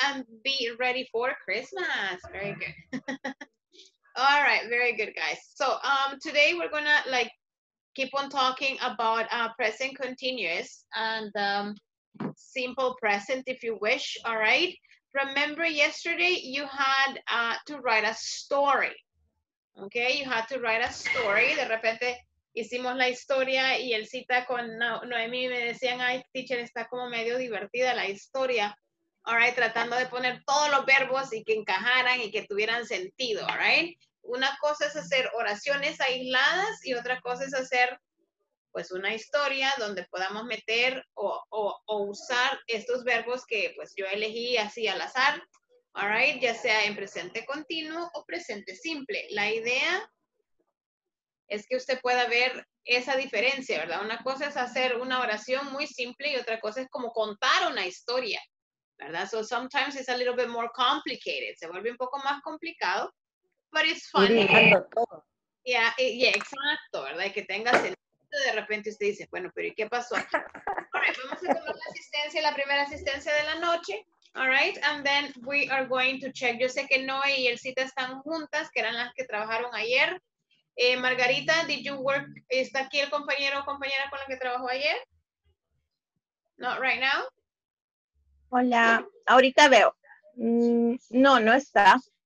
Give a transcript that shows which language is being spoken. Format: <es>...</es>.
<en>And be ready for Christmas. Very good. All right. Very good, guys. So today we're going to like keep on talking about present continuous and simple present if you wish. All right. Remember yesterday you had to write a story. Okay, you had to write a story.</en> <es>De repente hicimos la historia y el cita con Noemi me decían, ay, teacher, está como medio divertida la historia. All right, tratando de poner todos los verbos y que encajaran y que tuvieran sentido, all right? Una cosa es hacer oraciones aisladas y otra cosa es hacer, pues, una historia donde podamos meter o usar estos verbos que, pues, yo elegí así al azar. All right, ya sea en presente continuo o presente simple. La idea es que usted pueda ver esa diferencia, ¿verdad? Una cosa es hacer una oración muy simple y otra cosa es como contar una historia, ¿verdad?</es> <en>So sometimes it's a little bit more complicated.</en> <es>Se vuelve un poco más complicado,</es> <en>but it's funny.</en> <es>Y dejando todo. Yeah, exacto, ¿verdad? Y que tenga sentido. De repente usted dice, bueno, pero ¿y qué pasó aquí? All right, vamos a tomar la primera asistencia de la noche.</es> <en>All right, and then we are going to check.</en> <es>Yo sé que Noe y Elcita están juntas, que eran las que trabajaron ayer. Margarita,</es> <en>did you work?</en> <es>¿Está aquí el compañero o compañera con la que trabajó ayer?</es> <en>Not right now.</en> <es>Hola, ahorita veo. No, no está.</es>